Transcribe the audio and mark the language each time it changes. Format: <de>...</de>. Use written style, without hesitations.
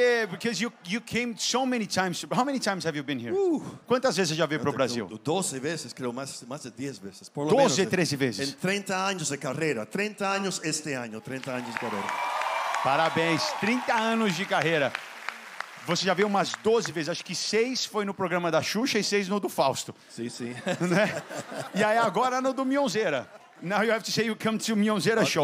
<en>Because you came so many times. How many times have you been here?</en> <pt>Quantas vezes já veio para o Brasil? 12 vezes, creio, mais de 10 vezes. 12, 13 vezes. Em 30 anos de carreira. 30 anos este ano. 30 anos de carreira. Parabéns. 30 anos de carreira. Você já veio umas 12 vezes. Acho que 6 foi no programa da Xuxa e 6 no do Fausto. Sim, sim. Né? E aí agora no do Mionzeira.</pt> <en>Now you have to say you come to Mionzeira show.</en>